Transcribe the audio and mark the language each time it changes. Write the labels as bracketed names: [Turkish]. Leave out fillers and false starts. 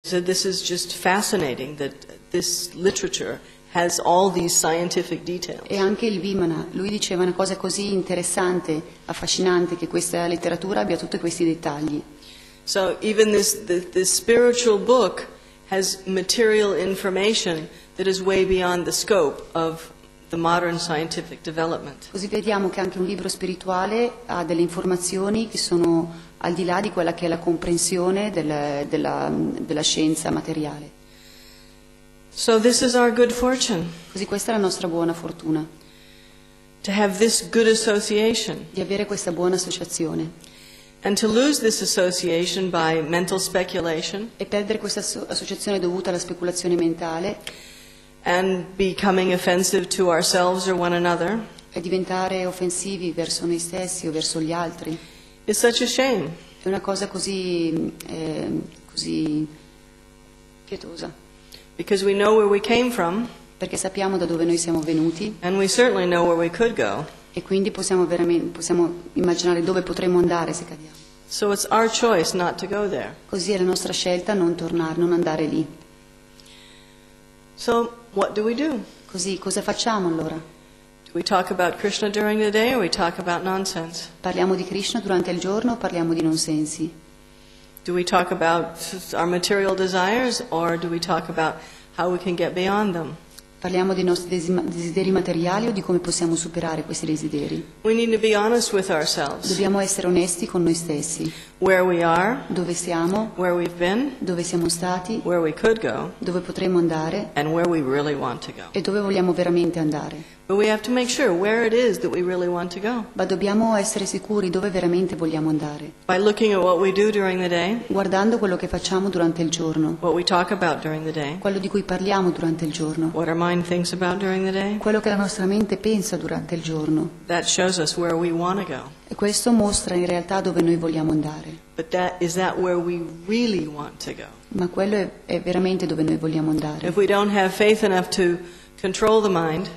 [English] So this is just fascinating that this literature has all these scientific details. [Italian] E anche il Vimana, lui diceva una cosa così interessante, affascinante, che questa letteratura abbia tutti questi dettagli. [English] So even this spiritual book has material information that is way beyond the scope of the modern scientific development. [Italian] Così vediamo che anche un libro spirituale ha delle informazioni che sono al di là di quella che è la comprensione della scienza materiale. [English] So this is our good fortune. [Italian] Così questa è la nostra buona fortuna. [English] To have this good association. [Italian] Di avere questa buona associazione. [English] And to lose this association by mental speculation. [Italian] E perdere questa associazione dovuta alla speculazione mentale. [English] And becoming offensive to ourselves or one another. [Italian] E diventare offensivi verso noi stessi o verso gli altri. [English] It's such a shame. [Italian] È una cosa così così pietosa. [English] Because we know where we came from. [Italian] Perché sappiamo da dove noi siamo venuti. [English] And we certainly know where we could go. [Italian] E quindi possiamo immaginare dove potremmo andare se cadiamo. [English] So it's our choice not to go there. [Italian] Così è la nostra scelta non andare lì. [English] So what do we do? [Italian] Così cosa facciamo allora? [English] Do we talk about Krishna during the day or we talk about nonsense? [Italian] Parliamo di Krishna durante il giorno o parliamo di nonsensi? [English] Do we talk about our material desires or do we talk about how we can get beyond them? [Italian] Parliamo dei nostri desideri materiali o di come possiamo superare questi desideri? [English] We need to be honest with ourselves. [Italian] Dobbiamo essere onesti con noi stessi. [English] Where we are. [Italian] Dove siamo. [English] Where we've been. [Italian] Dove siamo stati. [English] Where we could go. [Italian] Dove potremmo andare. [English] And where we really want to go. [Italian] E dove vogliamo veramente andare. [English] But we have to make sure where it is that we really want to go. [Italian] Ma dobbiamo essere sicuri dove veramente vogliamo andare. [English] By looking at what we do during the day. [Italian] Guardando quello che facciamo durante il giorno. [English] What we talk about during the day. [Italian] Quello di cui parliamo durante il giorno. [English] What our mind thinks about during the day. [Italian] Quello che la nostra mente pensa durante il giorno. [English] That shows us where we want to go. [Italian] E questo mostra in realtà dove noi vogliamo andare. [English] But that is that where we really want to go. [Italian] Ma quello è veramente dove noi vogliamo andare. [English] If we don't have faith enough to control the mind.